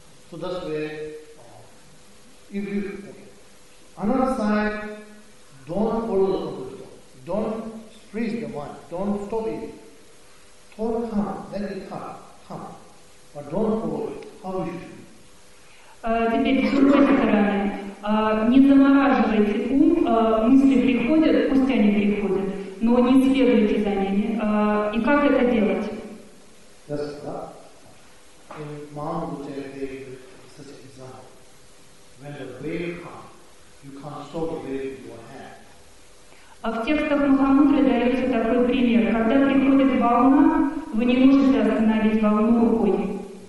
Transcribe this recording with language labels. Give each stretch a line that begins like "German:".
English: So that's where, if you, another side, don't follow the concept, don't freeze the mind, don't stop it. Thought come, let it come, come, but don't follow it. How you should do?
Russian: Теперь с другой стороны. Не замораживайте ум, мысли приходят, пусть они приходят, но не следуйте за ними. И как это делать?
English: Yes, that. In Mahamudra, they give such an example. When the wave comes, you can't stop the wave with your hand.
Russian: В текстах Махамудры дается такой пример. Когда приходит волна, вы не можете остановить волну рукой.